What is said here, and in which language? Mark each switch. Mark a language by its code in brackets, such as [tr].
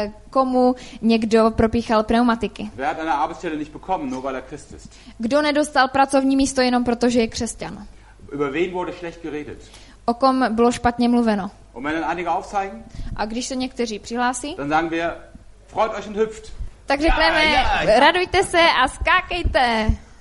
[cs] Komu někdo propíchal pneumatiky? [de] Wer hat eine Arbeitsstelle nicht bekommen, nur weil er Christ ist? [cs] Kdo nedostal pracovní místo jenom protože je křesťan? [de] Über wen wurde schlecht geredet? [cs] O kom bylo špatně mluveno? [de] Und wenn dann einige aufzeigen? [cs] A když se někteří přihlásí? [de] Dann sagen wir, freut euch und hüpft. [cs] Tak řekneme, radujte se a skákejte.